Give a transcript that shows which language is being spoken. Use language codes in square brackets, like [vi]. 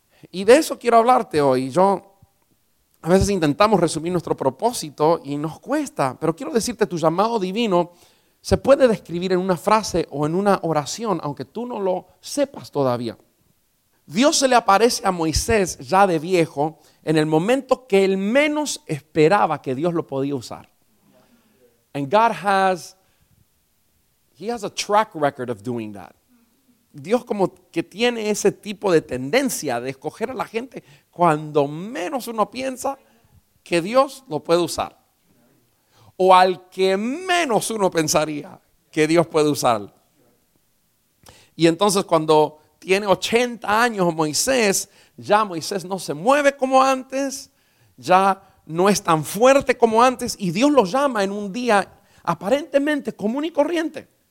[es] Y de eso quiero hablarte hoy. Yo a veces intentamos resumir nuestro propósito y nos cuesta, pero quiero decirte, tu llamado divino se puede describir en una frase o en una oración, aunque tú no lo sepas todavía. Dios se le aparece a Moisés ya de viejo en el momento que él menos esperaba que Dios lo podía usar. [en] And God has, he has a track record of doing that. [es] Dios como que tiene ese tipo de tendencia de escoger a la gente cuando menos uno piensa que Dios lo puede usar. O al que menos uno pensaría que Dios puede usar. Y entonces cuando tiene 80 años Moisés, ya Moisés no se mueve como antes, ya no es tan fuerte como antes, y Dios lo llama en un día aparentemente común y corriente.